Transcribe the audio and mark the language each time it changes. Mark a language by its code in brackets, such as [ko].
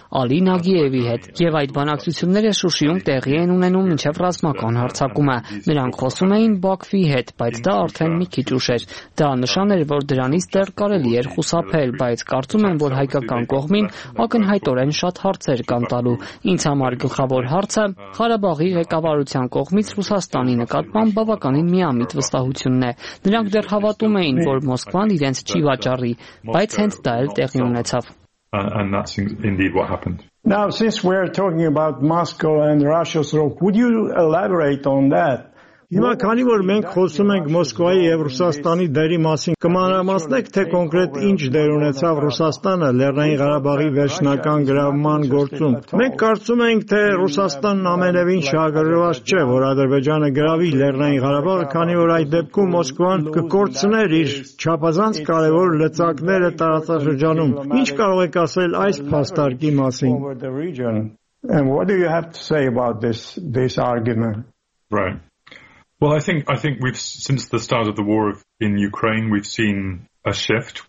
[hy] Ալի Նագիևի հետ, եւ այդ բանակցությունները Շուշիում տեղի են ունենում մինչև ռազմական հարձակումը։ Նրանք խոսում էին Բաքվի հետ, բայց դա արդեն մի քիչ ուշ էր։ Դա նշան էր, որ դրանից դեռ կարելի էր խուսափել, բայց կարծում եմ, որ հայկական կողմին ակնհայտորեն շատ հարցեր կան տալու։ Ինձ համար գլխավոր հարցը Ղարաբաղի ղեկավարության կողմից Ռուսաստանի նկատմամբ բավականին միամիտ վստահությունն է։ Նրանք դեռ հավատում էին, որ Մոսկվան իրենց չի վաճառի, բայց հենց դա էլ տեղի ունեցավ։ [en] And that's indeed what happened. Now, since we're talking about Moscow and Russia's role, would you elaborate on that? [hy] Հիմա, քանի որ մենք խոսում ենք Մոսկվայի եւ Ռուսաստանի դերի մասին, կմանրամասնեք, թե կոնկրետ ինչ դեր ունեցավ Ռուսաստանը Լեռնային Ղարաբաղի վերջնական գրավման գործում։ Մենք կարծում ենք, թե Ռուսաստանն ամենևին շահագրգռված չէ, որ Ադրբեջանը գրավի Լեռնային Ղարաբաղը, քանի որ այդ դեպքում Մոսկվան կկործներ իր չափազանց կարևոր լծակները տարածաշրջանում։ Ինչ կարող եք ասել այս փաստարկի մասին? [en] And what do you have to say about this argument? Right. Well, I think we've since the start of the war in Ukraine, we've seen a shift.